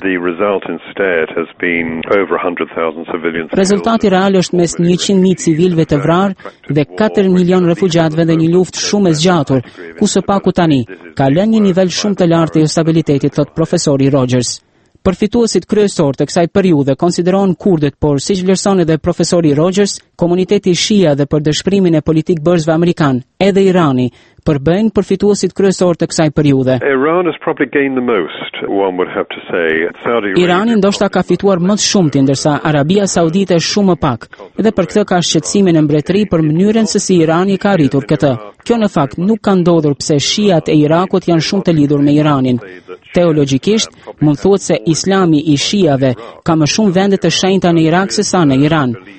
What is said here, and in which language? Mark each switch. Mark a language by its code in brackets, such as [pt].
[sq] Rezultati real është mes 100.000 civilëve të vrarë dhe 4 milion refugjatëve dhe një luftë shumë e zgjatur, ku së paku tani ka lënë një nivel shumë të lartë të instabilitetit, thotë profesori Rogers. Përfituesit kryesor të kësaj periudhe konsiderohen kurdët, por siç vlerëson edhe profesori Rogers, komuniteti shia dhe për dëshpërimin e politik bërësve amerikan, edhe Irani, përbëjnë përfituesit kryesor të kësaj periudhe. [en] Iran has probably gained the most, one would have to say. [sq] Irani ndoshta ka fituar më shumë ti ndërsa Arabia Saudite shumë më pak. Dhe për këtë ka shqetësimin e mbretëri për mënyrën se si Irani ka arritur këtë. Kjo në fakt nuk ka ndodhur pse shiat e Irakut janë shumë të lidhur me Iranin. Teologjikisht, mund thuhet se Islami i shiave ka më shumë vende të shenjta në Irak sesa në Iran.